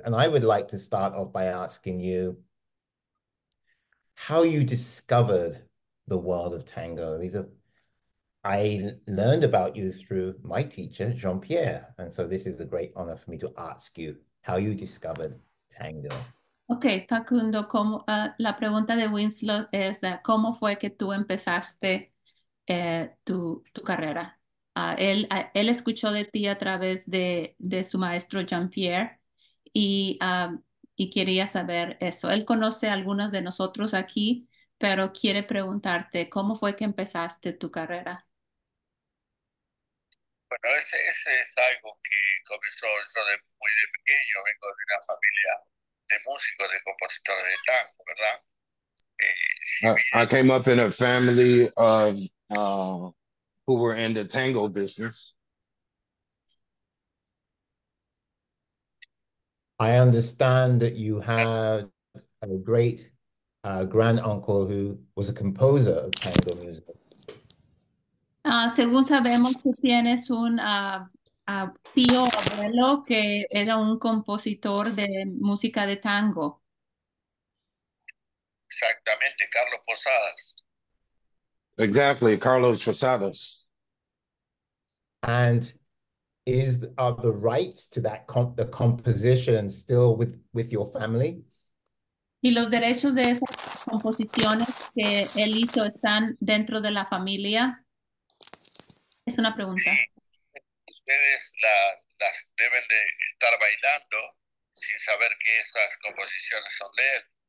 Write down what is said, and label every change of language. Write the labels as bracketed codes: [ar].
[en] And I would like to start off by asking you how you discovered the world of tango. I learned about you through my teacher, Jean-Pierre. And so this is a great honor for me to ask you how you discovered tango. [es] Okay, Facundo, la pregunta de Winslow es, ¿cómo fue que tú empezaste tu carrera? Él escuchó de ti a través de su maestro Jean-Pierre y quería saber eso. Él conoce a algunos de nosotros aquí, pero quiere preguntarte, ¿cómo fue que empezaste tu carrera? Bueno, ese es algo que comenzó yo de muy de pequeño, vengo de una familia de músicos, de compositores de tango, ¿verdad? [en] I came up in a family of who were in the tango business. I understand that you had a great grand uncle who was a composer of tango music. [es] Según sabemos, tú tienes un tío abuelo que era un compositor de música de tango. Exactamente, Carlos Posadas. [en] Exactly, Carlos Posadas. And are the rights to that the composition still with your family? [es] ¿Y los derechos de esas composiciones que él hizo están dentro de la familia? Es una pregunta. Sí. Ustedes las deben de estar bailando sin saber que esas composiciones son de él.